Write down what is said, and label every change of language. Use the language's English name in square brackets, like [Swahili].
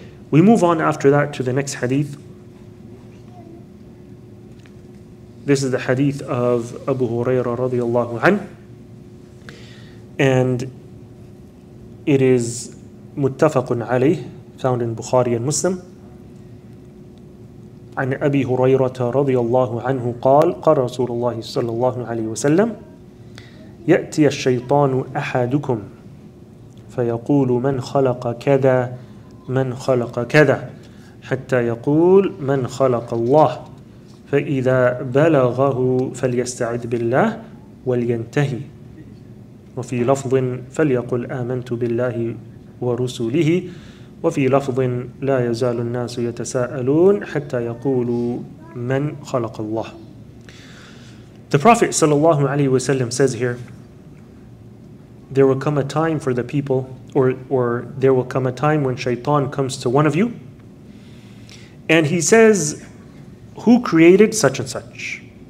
[English] We move on after that to the next hadith. This is the hadith of Abu Hurairah radiallahu anhu. And it is muttafaqun alayh, found in Bukhari and Muslim. [Arabic] عن أبي هريرة رضي الله عنه قال قال رسول الله صلى الله عليه وسلم يأتي الشيطان أحدكم فيقول من خلق كذا من خلق كذا حتى يقول من خلق الله فإذا بلغه فليستعذ بالله ولينتهي وفي لفظ فليقل آمنت بالله ورسله وفي لفظ لا يزال الناس يتساءلون حتى يقولوا من خلق الله. [English] The Prophet sallallahu alaihi wasallam says here, there will come a time for the people, or there will come a time when Shaytan comes to one of you, and he says, who created such and such?